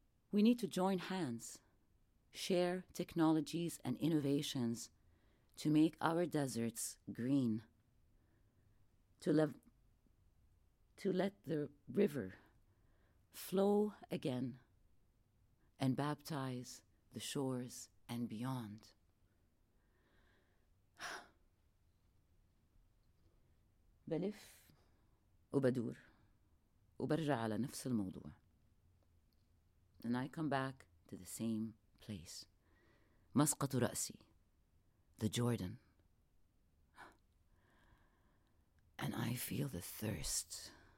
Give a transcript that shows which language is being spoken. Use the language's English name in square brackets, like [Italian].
[English] We need to join hands, share technologies and innovations to make our deserts green, to let the river flow again and baptize the shores and beyond. [Arabic] بلف وبدور وبرجع على نفس الموضوع. [English] And I come back to the same place. [Arabic] مسقط رأسي. The Jordan. [English] And I feel the thirst.